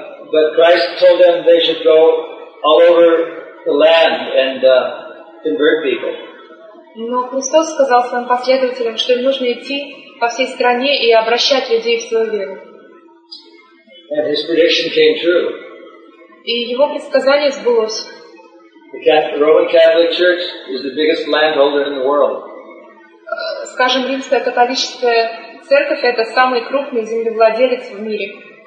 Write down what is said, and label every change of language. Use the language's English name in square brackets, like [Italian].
[English] But Christ told them they should go all over the land and convert people. [Russian] Но Христос сказал своим последователям, что им нужно идти по всей стране и обращать людей в свою веру. [English] And his prediction came true. [Russian] И его предсказание сбылось. [English] The Roman Catholic Church is the biggest landholder in the world. [Russian] скажем, Римская католическая церковь – это самый крупный землевладелец в мире.